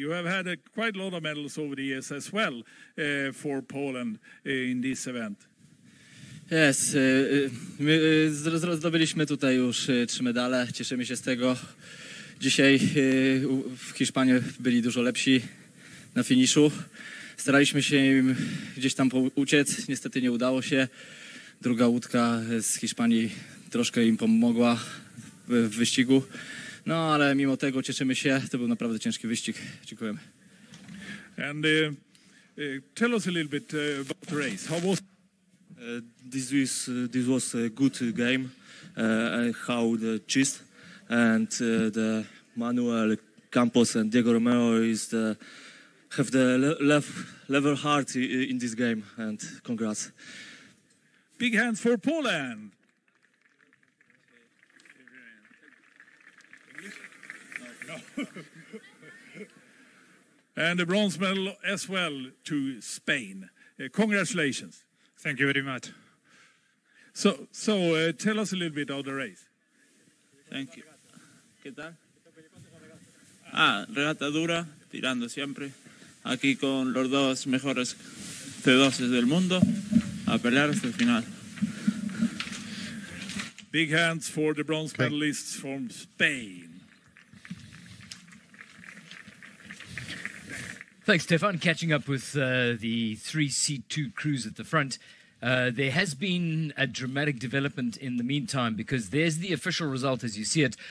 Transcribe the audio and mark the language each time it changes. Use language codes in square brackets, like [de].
[en] You have had quite a lot of medals over the years as well for Poland in this event. [pl] Yes, my zdobyliśmy tutaj już trzy medale, cieszymy się z tego. Dzisiaj w Hiszpanii byli dużo lepsi na finiszu. Staraliśmy się im gdzieś tam uciec, niestety nie udało się. Druga łódka z Hiszpanii troszkę im pomogła w wyścigu. No ale mimo tego cieszymy się, to był naprawdę ciężki wyścig. Dziękujemy. [en] And tell us a little bit about the race. How was This was a good game, how the chest and the Manuel Campos and Diego Romero is the, have the level heart in this game, and congrats. Big hands for Poland. And a bronze medal as well to Spain. Congratulations. Thank you very much. So, tell us a little bit of the race. Thank you. [es] ¿Qué tal? Ah, regata dura, tirando siempre. Aquí con los dos mejores C2s del mundo, a pelear hasta el final. [en] Big hands for the bronze medalists from Spain. Thanks, Stefan. Catching up with the 3C2 crews at the front. There has been a dramatic development in the meantime because there's the official result as you see it.